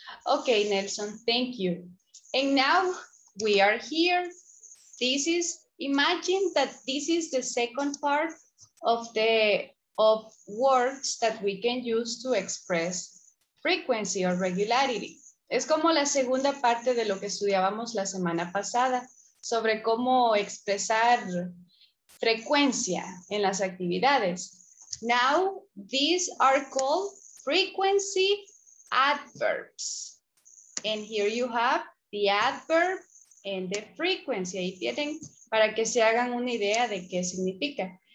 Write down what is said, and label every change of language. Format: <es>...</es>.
<en>Okay, Nelson, thank you. And now we are here. This is, imagine that this is the second part of the of words that we can use to express frequency or regularity.</en> <es>Es como la segunda parte de lo que estudiábamos la semana pasada sobre cómo expresar frecuencia en las actividades.</es> <en>Now, these are called frequency adverbs. And here you have the adverb and the frequency.</en> <es>Ahí tienen para que se hagan una idea de qué significa.</es>